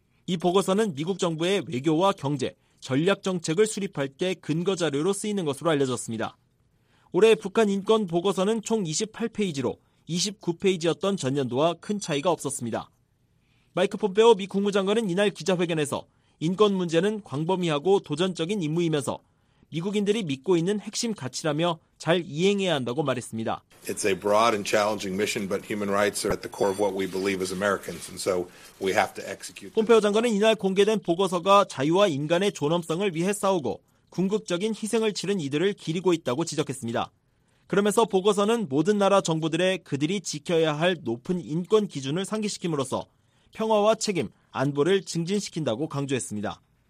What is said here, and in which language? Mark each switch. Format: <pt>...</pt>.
<ko>이 보고서는 미국 정부의 외교와 경제, 전략 정책을 수립할 때 근거 자료로 쓰이는 것으로 알려졌습니다. 올해 북한 인권 보고서는 총 28페이지로 29페이지였던 전년도와 큰 차이가 없었습니다. 마이크 폼페오 미 국무장관은 이날 기자회견에서 인권 문제는 광범위하고 도전적인 임무이면서 미국인들이 믿고 있는 핵심 가치라며 잘 이행해야 한다고 말했습니다.</ko> <en>It's a broad and challenging mission, but human rights are at the core of what we believe as Americans, and so we have to execute.</en> <ko>폼페오 장관은 이날 공개된 보고서가 자유와 인간의 존엄성을 위해 싸우고 궁극적인 희생을 치른 이들을 기리고 있다고 지적했습니다. 그러면서 보고서는 모든 나라 정부들의 그들이 지켜야 할 높은 인권 기준을 상기시킴으로써 평화와 책임, 안보를 증진시킨다고 강조했습니다.</ko>